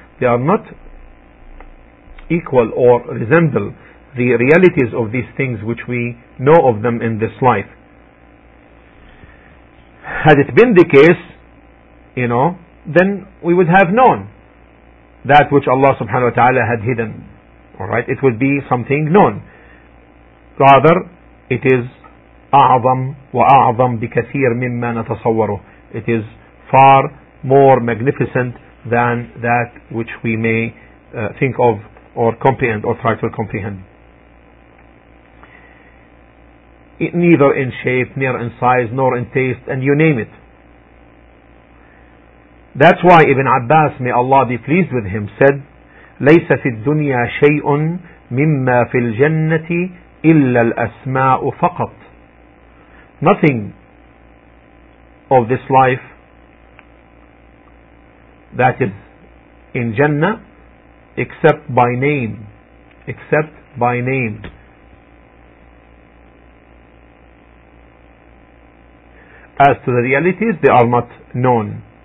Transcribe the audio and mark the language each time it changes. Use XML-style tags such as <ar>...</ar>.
<en>They are not equal or resemble the realities of these things which we know of them in this life. Had it been the case, you know, then we would have known that which Allah subhanahu wa ta'ala had hidden. Alright, it would be something known. Rather, it is</en> <ar>أعظم وأعظم بكثير مما نتصوره.</ar> <en>It is far more magnificent than that which we may think of or comprehend or try to comprehend. Neither in shape, nor in size, nor in taste, and you name it. That's why Ibn Abbas, may Allah be pleased with him, said,</en> <ar>ليس في الدنيا شيء مما في الجنة إلا الأسماء فقط.</ar> <en>Nothing of this life that is in Jannah except by name. As to the realities, they are not known.</en>